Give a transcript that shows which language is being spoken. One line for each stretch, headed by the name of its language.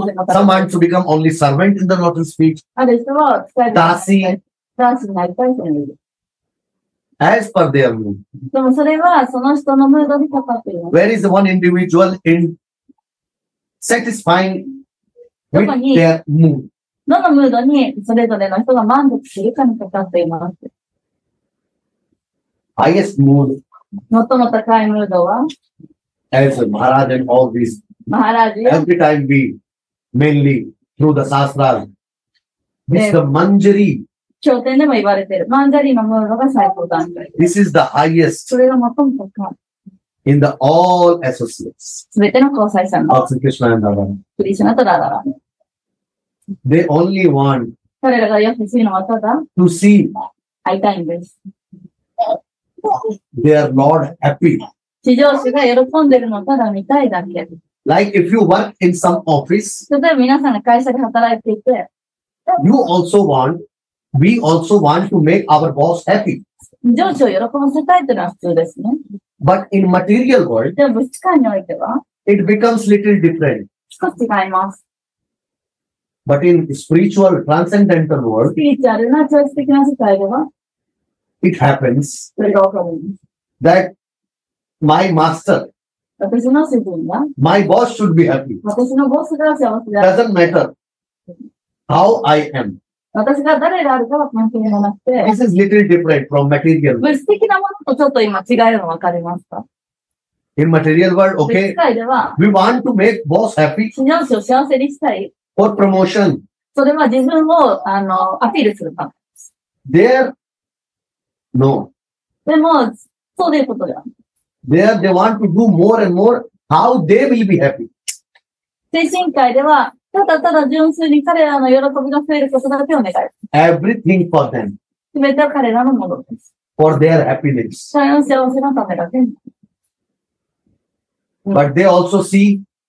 English: Some wants to become only servant in the lotus feet.
Japanese: ある人は使える。ダーシー。ダーシーになりたい人もいる。
English: As per their mood.
Japanese: でもそれはその人のムードにかかっています。
English: Where is the one individual in satisfying with their mood?
Japanese: どのムードにそれぞれの人が満足するかにかかっています。
English: Highest mood.
Japanese: 最も高いムードは
English: As Maharaj and all these. Maharaj. Every time we mainly through the sastras. It's the manjari.
Japanese: 経典でも言われている。マンジャリのムードが最高段階。
English: This is the highest.
Japanese: それが最も高い。
English: In the all associates.
Japanese: 全ての交際者の。アツクリシュナとラダラ。クリシュナとラダラ。
English: They only want.
Japanese: 彼らが欲しいのはただ。
English: To see.
Japanese: 会いたいんです。
English: Their Lord happy.
Japanese: 至上主が喜んでるのただ見たいだけ。
English: Like if you work in some office.
Japanese: 例えば皆さんが会社で働いていて。
English: You also want. We also want to make our boss happy.
Japanese: 上司を喜ばせたいというのは普通ですね。
English: But in material world,
Japanese: でも物質界においては、
English: it becomes little different.
Japanese: 少し違います。
English: But in spiritual, transcendental world,
Japanese: スピリチュアルな超越的な世界では、
English: it happens that my master,
Japanese: 私の主人が、
English: my boss should be happy.
Japanese: 私のボスが幸せである
English: 。 Doesn't matter how I am.
Japanese: 私が誰であるかは関係がなくて。
English: This is little different from material.
Japanese: 物質的なものとちょっと今違いが分かりますか
English: ?In material world, okay.
Japanese: 物質界では、
English: we want to make boss happy.
Japanese: 新上司を幸せにしたい。
English: For promotion.
Japanese: それは自分を、アピールするためです。
English: There, no.
Japanese: でも、そういうことでは。
English: There, they want to do more and more how they will be happy.
Japanese: 精神界では、ただただ純粋に彼らの喜びが増えることだけを願う。
English: Everything for them.
Japanese: 全ては彼らのものです。
English: For their happiness.
Japanese: 彼らの幸せのためだけ。
English: But they also see.